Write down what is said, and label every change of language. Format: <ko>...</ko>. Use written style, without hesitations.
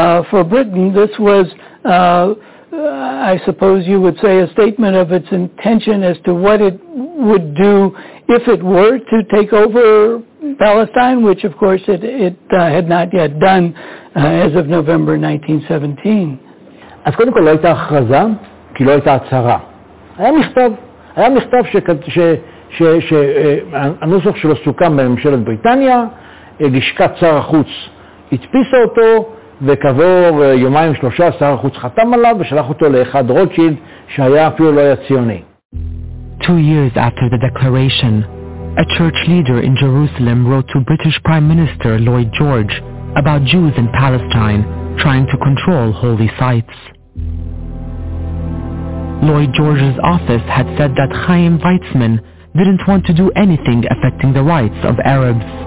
<en>For Britain, this was, I suppose you would say, a statement of its intention as to what it would do if it were to take over Palestine, which of course it had not yet done as of November 1917.</en> <he>אז קודם כל לא הייתה הכרזה, כי לא הייתה הצהרה. היה מכתב שהנוסח שלו סוכם בממשלת בריטניה, לשכת שר החוץ התפיסה אותו, וכעבור יומיים שלושה שר החוץ חתם עליו ושלח אותו לאחד רוטשילד שהיה אפילו לא היה ציוני.</he> <en>Two years after the declaration, a church leader in Jerusalem wrote to British Prime Minister Lloyd George about Jews in Palestine trying to control holy sites. Lloyd George's office had said that Chaim Weizmann didn't want to do anything affecting the rights of Arabs.</en>